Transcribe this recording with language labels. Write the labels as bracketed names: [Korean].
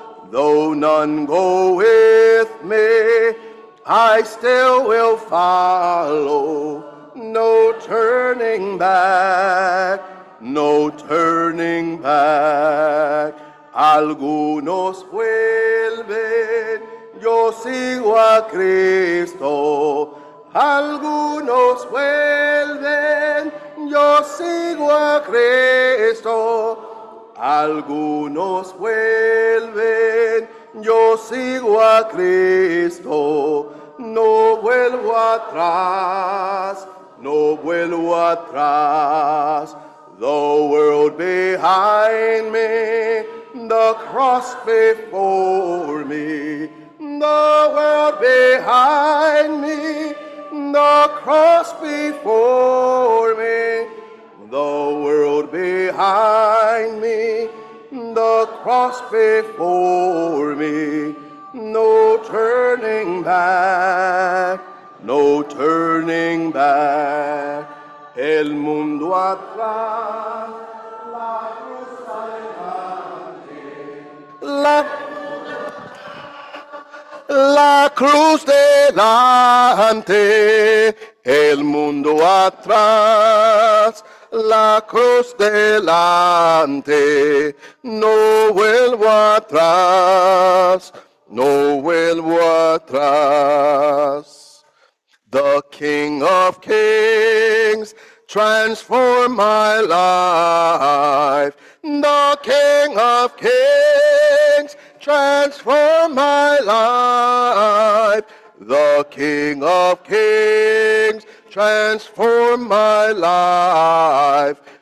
[English] Though none go with me, I still will follow. No turning back, no turning back. [Spanish] Algunos vuelven, yo sigo a Cristo. Algunos vuelven, yo sigo a Cristo. Algunos vuelven, yo sigo a Cristo. No vuelvo atrás, no vuelvo atrás. [English] The world behind me, the cross before me. The world behind me, the cross before me. The world behind me, the cross before me. No turning back, no turning back. [Spanish] El mundo atrás, la cruz adelante. La cruz delante, el mundo atrás, la cruz delante. No vuelvo atrás, no vuelvo atrás. [English] The King of Kings, transform my life. The King of Kings, transform my life. The King of Kings, transform my life.